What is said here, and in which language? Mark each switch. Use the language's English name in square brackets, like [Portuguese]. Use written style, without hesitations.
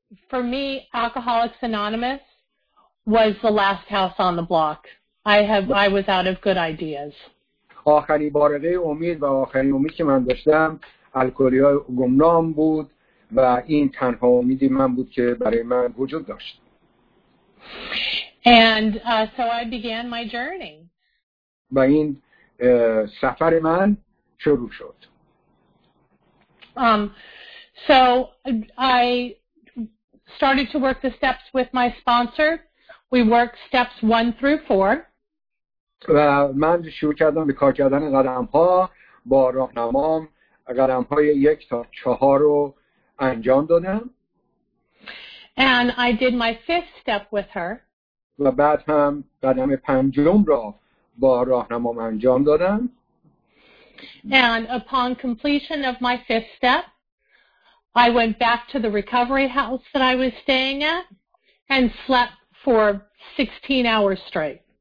[English] For me, Alcoholics Anonymous was the last house on the block. I was out of good ideas. [Persian] آخرین بارقه امید و آخرین امید که من داشتم الکلی‌های گمنام بود و این تنها امیدی من بود که برای من وجود داشت. [English] And so I began my journey. [Persian] و این سفر من شروع شد. [English] So I started to work the steps with my sponsor. We worked steps 1 through 4. [Persian] و من شروع کردم به کار کردن قدم‌ها با راهنمام. قدم‌های 1 تا 4 رو انجام دادم. [English] And I did my 5th step with her. [Persian] و بعد هم قدم 5 را با راهنمام انجام دادم. [English] And upon completion of my 5th step, I went back to the recovery house that I was staying at and slept for 16 hours straight.